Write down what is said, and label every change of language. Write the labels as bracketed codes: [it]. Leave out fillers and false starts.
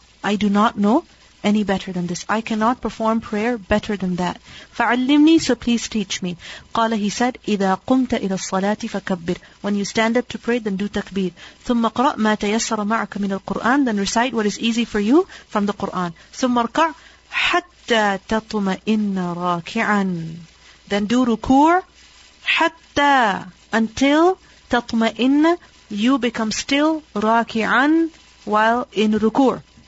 [en] I do not know any better than this. I cannot perform prayer better than that. فعلمني, so please teach me. [ar] قال, [en] he said, [ar] إذا قمت إلى الصلاة فكبر. [en] When you stand up to pray, then do takbir. [ar] ثم قرأ ما تيسر معك من القرآن. [en] Then recite what is easy for you from the Quran. [ar] ثم اركع حتى تطمئن راكعا. [en] Then do ركوع حتى, until تطمئن, you become still راكعا while in ركوع.